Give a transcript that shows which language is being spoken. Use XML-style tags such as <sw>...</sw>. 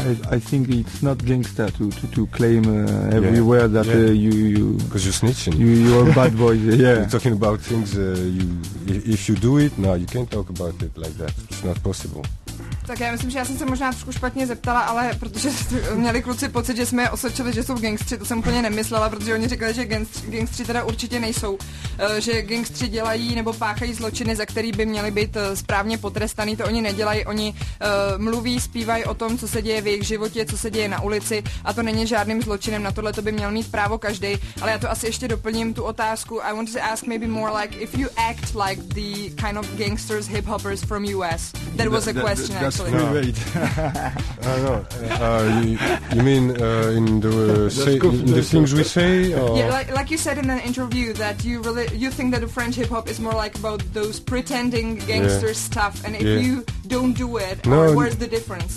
<en>I think it's not gangster to claim everywhere you because you're snitching. You're a bad boy. Yeah, you're talking about things. If you do it, no, you can't talk about it like that. It's not possible.</en> <cs>Tak já myslím, že já jsem se možná trošku špatně zeptala, ale protože měli kluci pocit, že jsme je osočili, že jsou gangstři, to jsem úplně nemyslela, protože oni říkali, že gangstři teda určitě nejsou, že gangstři dělají nebo páchají zločiny, za který by měli být správně potrestaný, to oni nedělají, oni mluví, zpívají o tom, co se děje v jejich životě, co se děje na ulici a to není žádným zločinem, na tohle to by měl mít právo každý, ale já to asi ještě doplním tu otázku.</cs> <en>I want to ask maybe more like if you act like the kind of gangsters, hip hoppers from US. That was a question. You mean in the things we say? Or? Yeah, like you said in an interview that you really you think that the French hip hop is more like about those pretending gangster stuff, and if you don't do it, where's the difference?</en>